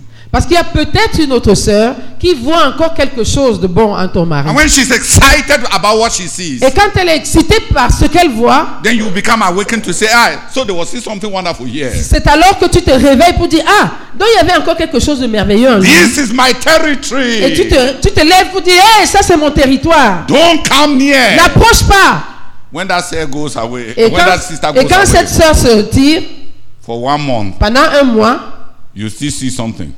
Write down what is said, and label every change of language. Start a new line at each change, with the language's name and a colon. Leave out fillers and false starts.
French: Parce qu'il y a peut-être une autre sœur qui voit encore quelque chose de bon en ton mari.
English: And when she's excited about what she sees,
French: et quand elle est excitée par ce qu'elle voit,
English: then you become awakened to say, ah, so there was something wonderful here.
French: C'est alors que tu te réveilles pour dire, ah, donc il y avait encore quelque chose de merveilleux en lui.
English: This is my territory.
French: Et tu te lèves pour dire, hey, ça c'est mon territoire.
English: Don't come near.
French: N'approche pas.
English: When that sister goes away, when that sister goes away,
French: cette sœur se tire,
English: for one month,
French: pendant un mois.
English: You still see something.